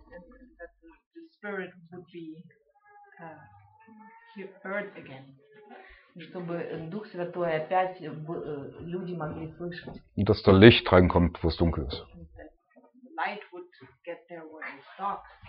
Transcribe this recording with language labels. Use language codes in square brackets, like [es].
[en] The spirit would be heard again. [ru] Чтобы Дух Святой опять люди могли слышать. [de] Und dass da Licht reinkommt, wo es dunkel ist. [en] Light would get there where it's dark.